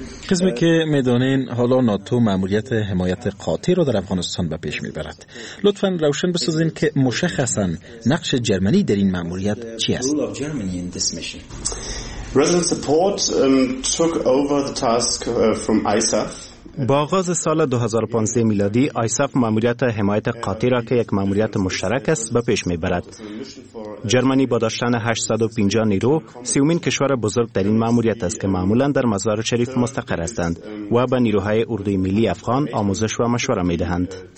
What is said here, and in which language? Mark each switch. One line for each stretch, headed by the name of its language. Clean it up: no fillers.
Persian: قسمی که میدانین حالا ناتو ماموریت حمایت قاطع را در افغانستان به پیش میبرد. لطفاً روشن بسازین که مشخصاً نقش جرمنی در این ماموریت چی است؟
English: Resident support took over the task from ISAF.
Persian: با آغاز سال 2015 میلادی ISAF ماموریت حمایت قاطع را که یک ماموریت مشترک است به پیش میبرد. جرمنی با داشتن 850 نیرو سومین کشور بزرگ در این ماموریت است که معمولا در مزار شریف مستقر هستند و به نیروهای اردوی ملی افغان آموزش و مشوره می دهند.